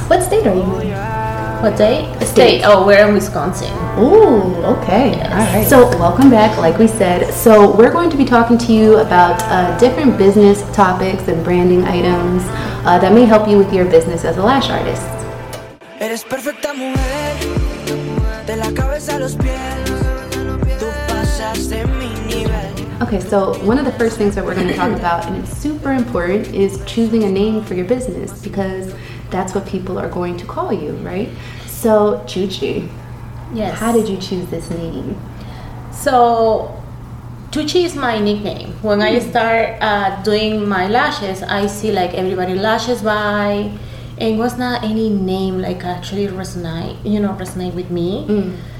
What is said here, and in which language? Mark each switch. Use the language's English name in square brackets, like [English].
[English] What state are you in? What day? State. Oh, we're in Wisconsin. Ooh, okay. Yes. All right. So, welcome back, like we said. So, we're going to be talking to you about different business topics and branding items that may help you with your business as a lash artist. [Spanish] Eres perfecta mujer, de la cabeza a los pies, tú pasaste mi nivel. [English] Okay, so one of the first things that we're going to talk about, and it's super important, is choosing a name for your business, because that's what people are going to call you, right? So, Chuchi. Yes. How did you choose this name? So, Chuchi is my nickname. When I start doing my lashes, I see like everybody lashes by, and it was not any name like actually resonate with me. Mm.